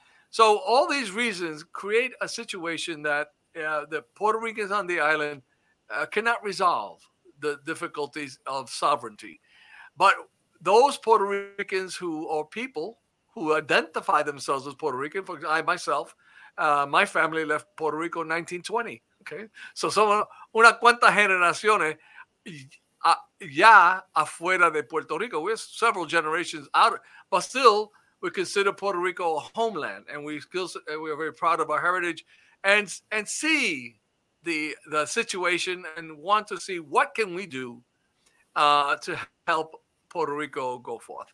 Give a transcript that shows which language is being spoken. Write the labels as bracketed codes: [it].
[en] So all these reasons create a situation that the Puerto Ricans on the island cannot resolve the difficulties of sovereignty. But those Puerto Ricans who are people who identify themselves as Puerto Rican, for example, I myself, my family left Puerto Rico in 1920. [es] Okay, so son una cuanta generaciones ya afuera de Puerto Rico. [en] We're several generations out, but still we consider Puerto Rico a homeland, and we are very proud of our heritage, and see the situation and want to see what can we do to help Puerto Rico go forth.